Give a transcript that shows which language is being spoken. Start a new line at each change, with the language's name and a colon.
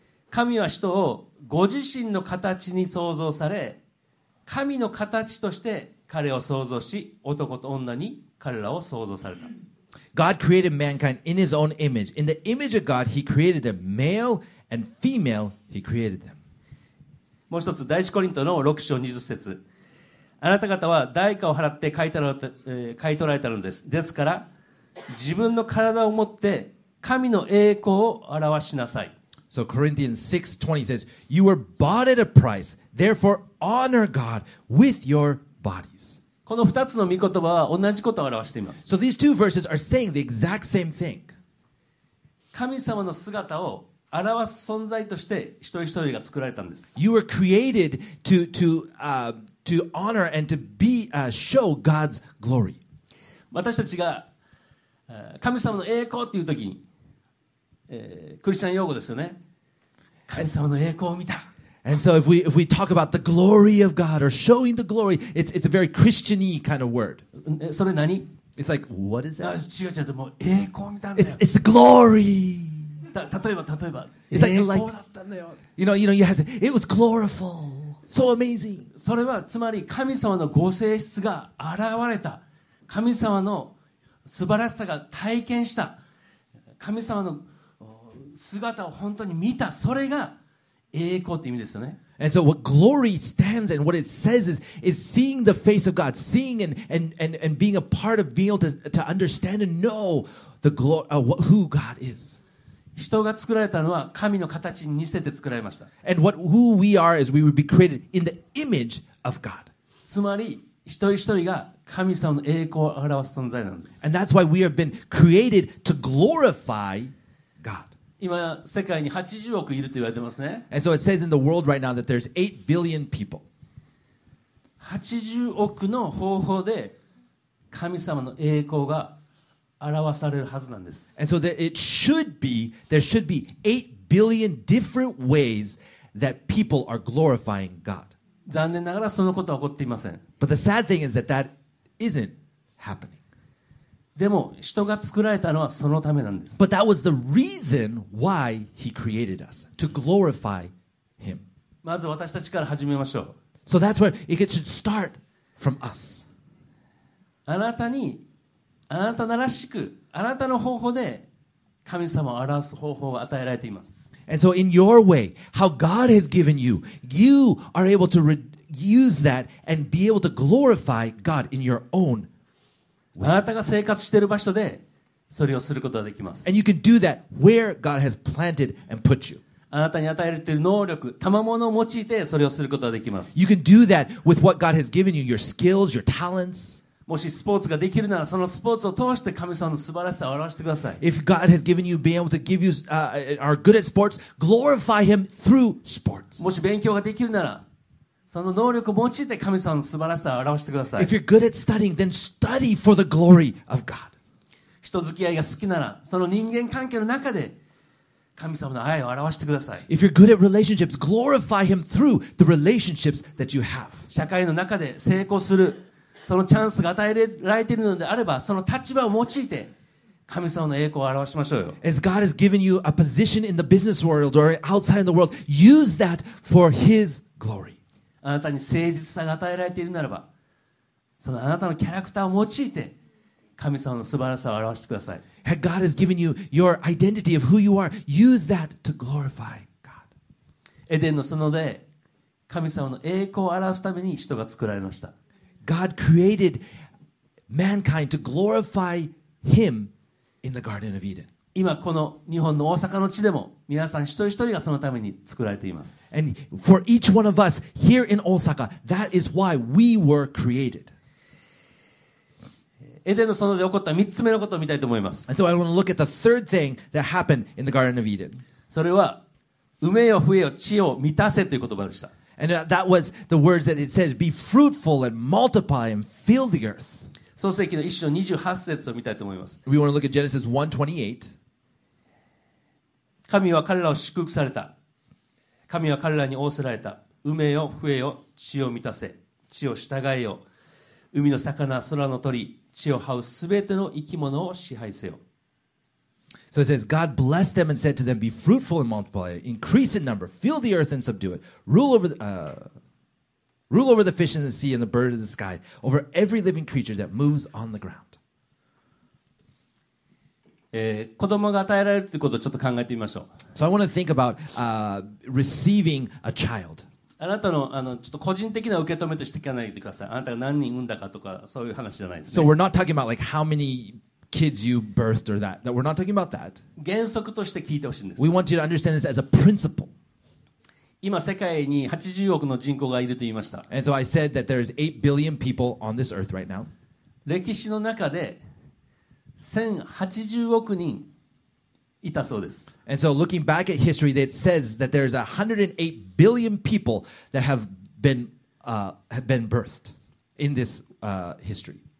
Japanese: 神は人をご自身の形に創造され、神の形として彼を創造し、男と女に彼らを創造された。
English: God created mankind in His own image. In the image of God, He created them. Male and female, He created them.
Japanese: もう一つ、第一コリントの6章20節。あなた方は代価を払って買い取られたのです。ですから、自分の体を持って神の栄光を表しなさい。
English: So Corinthians 6:20 says, "You were bought at a price. Therefore, honor God with your bodies."
Japanese: この2つの御言葉は同じことを表しています。
English: So these two verses are saying the exact same thing.
Japanese: 神様の姿を表す存在として一人一人が作られたんです。
English: You were created to honor and to be show God's glory.
Japanese: 私たちが神様の栄光っていうときに、クリスチャン用語ですよね。神様の栄光を見た。
English: And so if we talk about the glory of God or showing the glory, it's a very Christian-y kind of word.
Japanese: それ何?
English: It's like, what is that?
Japanese: 違う、もう栄光を見たんだよ。
English: It's the glory.
Japanese: 例えば、
English: it's like,
Japanese: 栄光だったんだよ。
English: You know, you have to say, it was gloriful. So amazing.
Japanese: それはつまり神様のご性質が現れた。神様の素晴らしさが体験した。神様の姿を本当に見た。それが栄光って意味ですよね。
English: And so what glory stands and what it says is seeing the face of God, seeing and being a part of being able to understand and know the glory, who God is.
Japanese: 人が作られたのは神の形に似せて作られました。
English: And what who we are is we would be created in the image of God.
Japanese: つまり一人一人が神様の栄光を表す存在なんです。
English: And that's why we have been created to glorify God.
Japanese: 今世界に80億いると言われてますね。
English: And so it says in the world right now that there's 8 billion people.
Japanese: 80億の方法で神様の栄光が表されるはずなんです。
English: And so there should be 8 billion different ways that people are glorifying God.
Japanese: 残念ながらそのことは起こっていません。
English: But the sad thing is that isn't happening.
Japanese: でも人が作られたのはそのためなんです。
English: But that was the reason why he created us, to glorify him.
Japanese: まず私たちから始めましょう。
English: So that's where it should start from us.
Japanese: あなたらしく、あなたの方法で神様を表す方法が与えられています。
English: And so in your way, how God has given you, you are able to use that and be able to glorify God in your own way.
Japanese: あなたが生活している場所でそれをすることができます。
English: And you can do that where God has planted and put you.
Japanese: あなたに与えられている能力、賜物を用いてそれをすることができます。
English: You can do that with what God has given you, your skills, your talents.
Japanese: もしスポーツができるならそのスポーツを通して神様の素晴らしさを表してください。
English: If God has given you being able to give you are good at sports, glorify Him through sports.
Japanese: もし勉強ができるならその能力を用いて神様の素晴らしさを表してください。
English: If you're good at studying, then study for the glory of God.
Japanese: 人付き合いが好きならその人間関係の中で神様の愛を表してください。
English: If you're good at relationships, glorify Him through the relationships that you have.
Japanese: 社会の中で成功するそのチャンスが与えられているのであればその立場を用いて神様の栄光を表しましょうよ。
English: As God has given you a position in the business world or outside in the world, use that for His glory.
Japanese: あなたに誠実さが与えられているならばそのあなたのキャラクターを用いて神様の素晴らしさを表してください。
English: God has given you your identity of who you are. Use that to glorify God.
Japanese: エデンの園で神様の栄光を表すために人が作られました。
English: God created mankind to glorify Him in the Garden of Eden.
Japanese: 今この日本の大阪の地でも皆さん一人一人がそのために作られています。
English: And for each one of us here in Osaka, that is why we were created.
Japanese: エデンの園で起こった三つ目のことを見たいと思います。
English: And so I want to look at the third thing that happened in the Garden of Eden.
Japanese: それは産めよ増えよ地を満たせという言葉でした。
English: And that was the words that it says, be fruitful and multiply and fill the earth.
Japanese: 創世記の1章28節を見たいと思います。
English: We want to look at Genesis 1:28.
Japanese: 神は彼らを祝福された。神は彼らに仰せられた。産めよ、増えよ、地を満たせ、地を従えよ。海の魚、空の鳥、地を這うすべての生き物を支配せよ。
English: So it says, God blessed them and said to them, be fruitful and multiply, increase in number, fill the earth and subdue it, rule over the fish in the sea and the bird in the sky, over every living creature that moves on the ground.
Japanese: 子供が与えられるってことをちょっと考えてみましょう。
English: So I want to think about receiving a child.
Japanese: あなたの、ちょっと個人的な受け止めとして聞かないでください。あなたが何人産んだかとかそういう話じゃないですね。
English: So we're not talking about like how many kids you birthed or that. We're not talking about that.
Japanese: 原則として聞いてほしいんです。
English: We want you to understand this as a principle.
Japanese: 今世界に80億の人口がいると言いました。
English: And so I said that there is 8 billion people on this earth right now.
Japanese: 歴史の中で1080億人いたそうです。
English: And so looking back at history, it says that there is 108 billion people that have been birthed in this history.